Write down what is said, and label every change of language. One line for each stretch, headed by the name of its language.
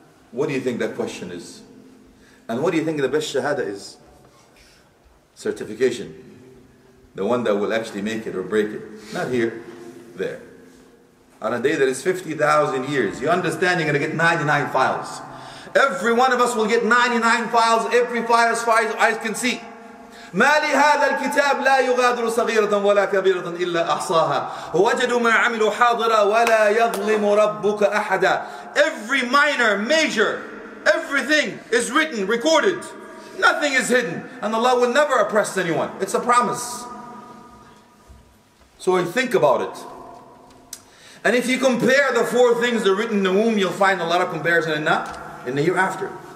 English: What do you think that question is? And what do you think the best shahada is? Certification. The one that will actually make it or break it. Not here, there. On a day that is 50,000 years, you understand you're going to get 99 files. Every one of us will get 99 files, every file as far as eyes can see.
Arabic: ما لهذا الكتاب لا يغادر صغيرة ولا كبيرة إلا أحصاها وجدوا ما عملوا حاضرا ولا يظلم ربك أحدا.
English: Every minor, major, everything is written, recorded. Nothing is hidden. And Allah will never oppress anyone. It's a promise. So think about it. And if you compare the four things that are written in the womb, you'll find a lot of comparison in the hereafter.